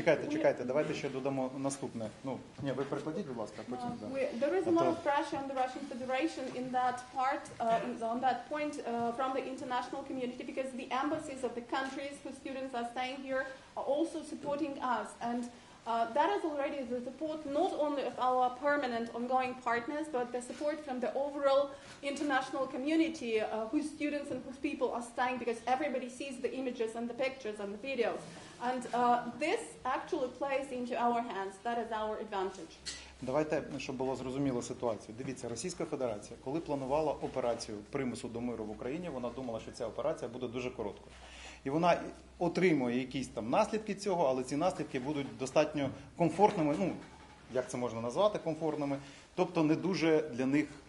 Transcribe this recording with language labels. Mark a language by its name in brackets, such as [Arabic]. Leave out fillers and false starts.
[Ukrainian] Чекайте, давайте ще додамо наступне. Ну, ні, ви перекладіть, будь ласка, потім. [English] There is a lot of pressure on the Russian Federation in that part, on that point from the international community, because the embassies of the countries whose students are staying here are also supporting us. And that is already the support not only of our permanent ongoing partners, but the support from the overall international community whose students and whose people are staying, because everybody sees the images and the pictures and the videos. And this actually plays into our hands. That is our advantage. [Ukrainian] Давайте, щоб було зрозуміло ситуацію. Дивіться, Російська Федерація, коли планувала операцію примусу до миру в Україні, вона думала, що ця операція буде дуже короткою. І вона отримує якісь там наслідки цього, але ці наслідки будуть достатньо комфортними, ну, як це можна назвати комфортними, тобто не дуже для них...